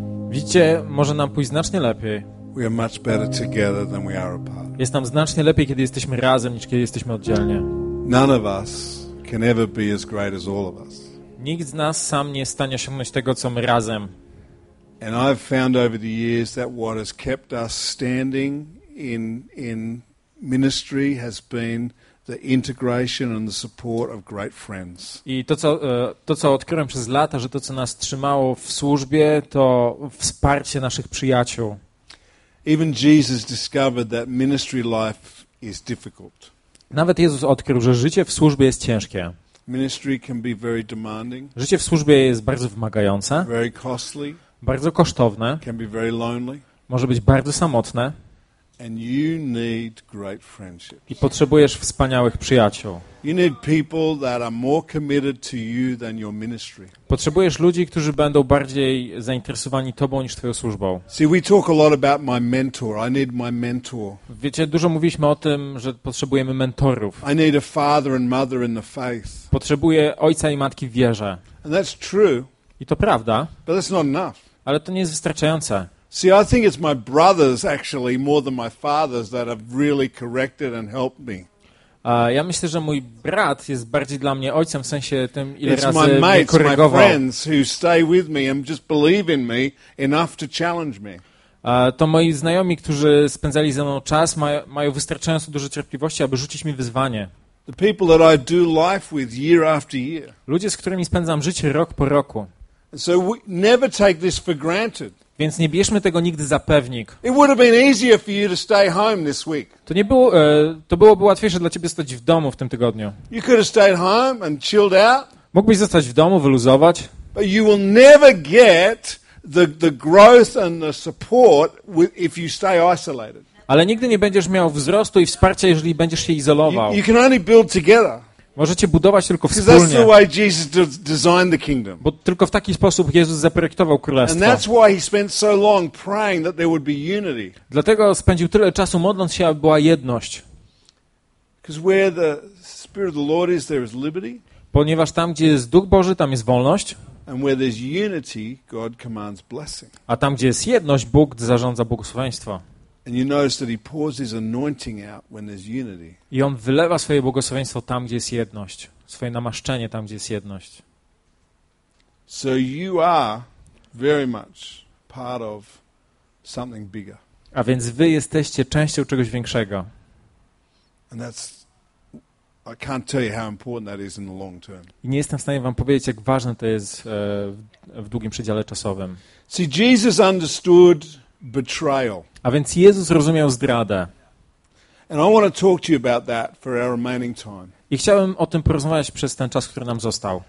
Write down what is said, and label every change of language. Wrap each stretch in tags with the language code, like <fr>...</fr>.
<pl>Widzicie, może nam pójść znacznie lepiej.</pl> <en>We are much better together than we are apart.</en> <pl>Jest nam znacznie lepiej, kiedy jesteśmy razem, niż kiedy jesteśmy oddzielnie.</pl> <en>None of us can ever be as great as all of us.</en> <pl>Nikt z nas sam nie stanie osiągnąć tego, co my razem.</pl> <en>And I've found over the years that what has kept us standing in ministry has been the integration and the support of great friends.</en> <pl>I to co odkryłem przez lata, że to, co nas trzymało w służbie, to wsparcie naszych przyjaciół.</pl> <en>Even Jesus discovered that ministry life is difficult.</en> <pl>Nawet Jezus odkrył, że życie w służbie jest ciężkie.</pl> <en>Ministry can be very demanding.</en> <pl>Życie w służbie jest bardzo wymagające.</pl> <en>Very costly.</en> <pl>Bardzo kosztowne.</pl> <en>Can be very lonely.</en> <pl>Może być bardzo samotne.</pl> <en>And you need great friendships.</en> <pl>I potrzebujesz wspaniałych przyjaciół.</pl> <en>You need people that are more committed to you than your ministry.</en> <pl>Potrzebujesz ludzi, którzy będą bardziej zainteresowani tobą niż twoją służbą.</pl> <en>See, we talk a lot about my mentor. I need my mentor.</en> <pl>Wiecie, dużo mówiliśmy o tym, że potrzebujemy mentorów.</pl> <en>I need a father and mother in the faith.</en> <pl>Potrzebuję ojca i matki w wierze.</pl> <en>And that's true.</en> <pl>I to prawda.</pl> <en>But that's not enough.</en> <pl>Ale to nie jest wystarczające.</pl> <en>See, I think it's my brothers actually more than my fathers that have really corrected and helped me.</en> <pl>Ja myślę, że mój brat jest bardziej dla mnie ojcem w sensie tym, ile</pl> <en>it's</en> <pl>razy</pl> <en>my mates,</en> <pl>mnie korygował.</pl> <en>My friends who stay with me and just believe in me enough to challenge me.</en> <pl>To moi znajomi, którzy spędzali ze mną czas, mają wystarczająco dużo cierpliwości, aby rzucić mi wyzwanie.</pl> <en>The people that I do life with year after year.</en> <pl>Ludzie, z którymi spędzam życie rok po roku.</pl> <en>So we never take this for granted.</en> <pl>Więc nie bierzmy tego nigdy za pewnik.</pl> <en>It would have been easier for you to stay home this week.</en> <pl>To nie było, to byłoby łatwiejsze dla ciebie stać w domu w tym tygodniu.</pl> <en>You could have stayed home and chilled out.</en> <pl>Mógłbyś zostać w domu, wyluzować.</pl> <en>But you will never get the growth and the support if you stay isolated.</en> <pl>Ale nigdy nie będziesz miał wzrostu i wsparcia, jeżeli będziesz się izolował.</pl> <en>You can only build together.</en> <pl>Możecie budować tylko wspólnie.</pl> <en>That's the way Jesus designed the kingdom.</en> <pl>Bo tylko w taki sposób Jezus zaprojektował królestwo.</pl> <en>And that's why he spent so long praying that there would be unity.</en> <pl>Dlatego spędził tyle czasu modląc się, aby była jedność.</pl> <en>Because where the Spirit of the Lord is, there is liberty.</en> <pl>Ponieważ tam, gdzie jest Duch Boży, tam jest wolność.</pl> <en>And where there's unity, God commands blessing.</en> <pl>A tam, gdzie jest jedność, Bóg zarządza błogosławieństwo.</pl> <en>And you notice that he pours his anointing out when there's unity.</en> <pl>I on wylewa swoje błogosławieństwo tam, gdzie jest jedność, swoje namaszczenie tam, gdzie jest jedność.</pl> <en>So you are very much part of something bigger.</en> <pl>A więc wy jesteście częścią czegoś większego.</pl> <en>And that's, I can't tell you how important that is in the long term.</en> <pl>I nie jestem w stanie wam powiedzieć, jak ważne to jest w długim przedziale czasowym.</pl> <en>See, Jesus understood betrayal.</en> <pl>A więc Jezus rozumiał zdradę.</pl> <en>And I want to talk to you about that for our remaining time.</en> <pl>I chciałbym o tym porozmawiać przez ten czas, który nam został.</pl>